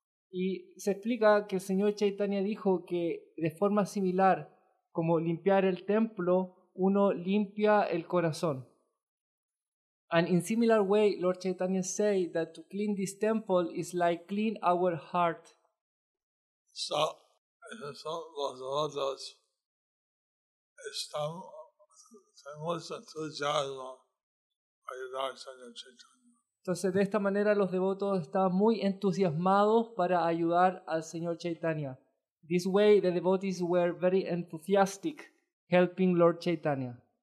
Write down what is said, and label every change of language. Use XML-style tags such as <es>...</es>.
<es>Y se explica que el Señor Chaitanya dijo que de forma similar, como limpiar el templo, uno limpia el corazón.</es> <en>And in similar way, Lord Chaitanya said that to clean this temple is like clean our heart.</en> <es>Entonces, de esta manera, los devotos estaban muy entusiasmados para ayudar al Señor Chaitanya.</es> <en>This way, the devotees were very enthusiastic helping Lord Chaitanya.</en>